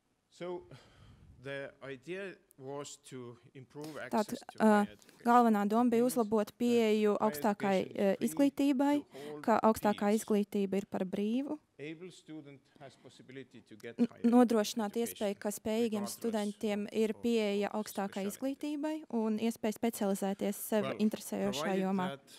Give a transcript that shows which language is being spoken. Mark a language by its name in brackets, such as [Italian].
[English] So the idea was to improve access. [Latvian] Tātad galvenā doma bija uzlabot pieeju augstākai izglītībai, ka augstākā izglītība ir par brīvu. [English] Able student has possibility to get [Latvian] nodrošināt iespēju, ka spējīgiem studentiem ir pieeja augstākai izglītībai un iespēja specializēties sev interesējošajā jomā.